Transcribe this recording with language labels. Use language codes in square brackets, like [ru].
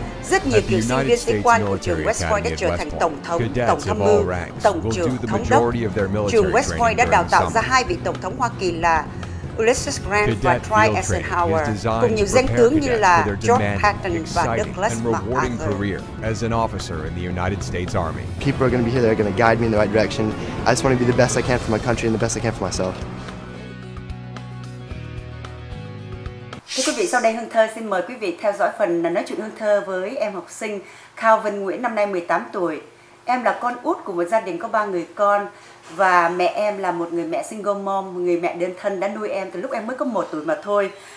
[vi] Rất nhiều cựu sinh viên sĩ quan của trường West Point đã trở thành tổng thống, tổng tham mưu, tổng trưởng, thống đốc. Trường West Point đã đào tạo ra 2 vị tổng thống Hoa Kỳ là Ulysses Grant và Dwight Eisenhower, cùng nhiều danh tướng như là George Patton và Douglas MacArthur. [en] As an officer in the United States Army, people are going to be here. They're going to guide me in the right direction. I just want to be the best I can for my country and the best I can for myself. [vi] sau đây Hương Thơ xin mời quý vị theo dõi phần nói chuyện Hương Thơ với em học sinh Cao Vân Nguyễn, năm nay 18 tuổi. Em là con út của một gia đình có 3 người con và mẹ em là một người mẹ [en] single mom, [vi] người mẹ đơn thân đã nuôi em từ lúc em mới có 1 tuổi mà thôi.